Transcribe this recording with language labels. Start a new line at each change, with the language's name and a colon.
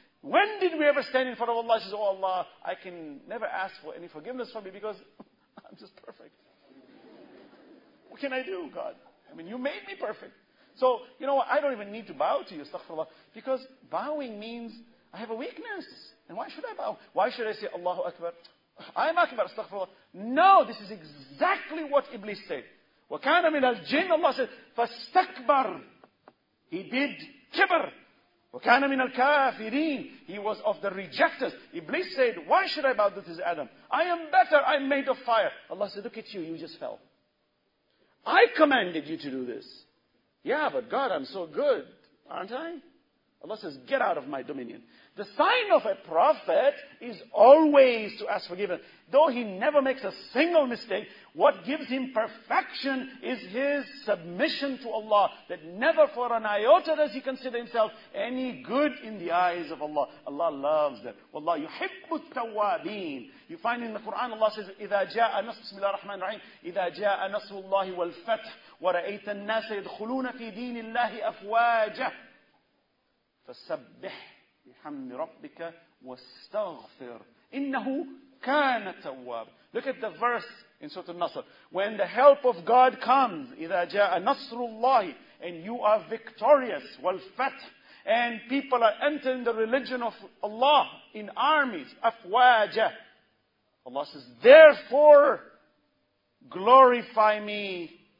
English: When did we ever stand in front of Allah and say, oh Allah, I can never ask for any forgiveness from you because I'm just perfect. What can I do, God? I mean, you made me perfect. So, you know what, I don't even need to bow to you, astaghfirullah. Because bowing means I have a weakness. And why should I bow? Why should I say, Allahu Akbar? I'm Akbar, astaghfirullah. No, this is exactly what Iblis said.
Arabic: وَكَانَ مِنَ الْجِنِّ,
English: Allah said,
Arabic: فَاسْتَكْبَرْ.
English: He did kibr.
Arabic: وَكَانَ مِنَ الْكَافِرِينَ,
English: he was of the rejectors. Iblis said, why should I bow to this Adam? I am better, I'm made of fire. Allah said, look at you, you just fell. I commanded you to do this. Yeah, but God, I'm so good, aren't I? Allah says, get out of my dominion. The sign of a prophet is always to ask forgiveness. Though he never makes a single mistake, what gives him perfection is his submission to Allah. That never for an iota does he consider himself any good in the eyes of Allah. Allah loves that. Wallah, yuhibbu at-tawwabin. You find in the Quran, Allah says,
Arabic: إِذَا جَاءَ نَصْرُ بِسْمِ اللَّهِ الرَّحْمَنِ الرَّحِيمِ إِذَا جَاءَ نَصْرُ اللَّهِ وَالْفَتْحِ وَرَأَيْتَ النَّاسَ يَدْخُلُونَ فِي دِينِ اللَّهِ أَفْوَاجَهِ فَسَبِّحْ بِحَمْدِ رَبِّكَ وَاسْتَغْفِرْ إِنَّهُ كَانَ تَوَّابًا.
English: Look at the verse in Surah Al-Nasr. When the help of God comes,
Arabic: إِذَا جَاءَ نَصْرُ اللَّهِ,
English: and you are victorious, وَالْفَتْحِ, and people are entering the religion of Allah in armies, أَفْوَاجَهِ, Allah says, therefore, glorify me.